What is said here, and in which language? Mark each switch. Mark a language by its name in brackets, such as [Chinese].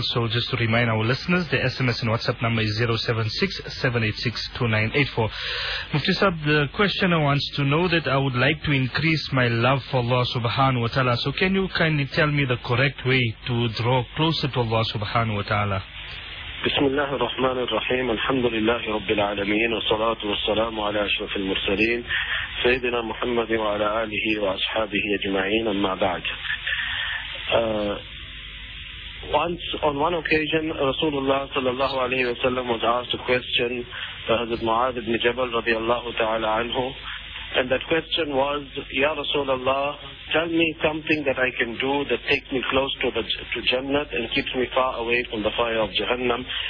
[English] So just to remind our listeners, the SMS and WhatsApp number is 076-786-2984. Mufti Sahib, the questioner wants to know that I would like to increase my love for Allah subhanahu wa ta'ala. So can you kindly tell me the correct way to draw closer to Allah subhanahu wa ta'ala? [Arabic] بسم الله الرحمن الرحيم الحمد لله رب العالمين والصلاة والسلام على أشرف المرسلين سيدنا محمد وعلى آله وأصحابه أجمعين أما بعد. [English] Once on one occasion [Arabic] رسول الله صلى الله عليه وسلم [English] was asked a question by حضرت معاذ بن جبل [Arabic] رضي الله تعالى عنه, [English] and that question was, [Arabic] يا رسول الله, [English] tell me something that I can do that takes me close to Jannah and keeps me far away from the fire of Jahannam.